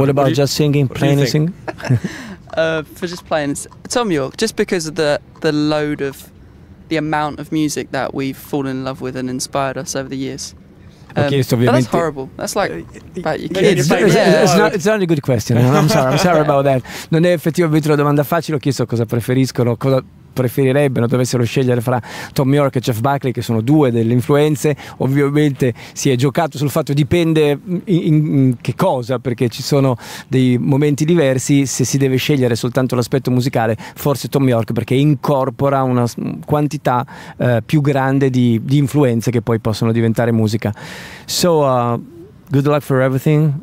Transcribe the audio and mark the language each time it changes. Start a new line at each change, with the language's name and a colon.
English: What about just singing, playing and singing? For just playing, Thom Yorke, just because of the load of the amount of music that we've fallen in love with and inspired us over the years. That's horrible. That's like about your kids. It's not a good question. I'm sorry about that.
Italian: Non è effettivamente una domanda facile. Ho chiesto cosa preferiscono, cosa preferirebbero, dovessero scegliere fra Thom Yorke e Jeff Buckley, che sono due delle influenze. Ovviamente si è giocato sul fatto, dipende in che cosa, perché ci sono dei momenti diversi. Se si deve scegliere soltanto l'aspetto musicale, forse Thom Yorke, perché incorpora una quantità più grande di influenze che poi possono diventare musica.
English: So good luck for everything.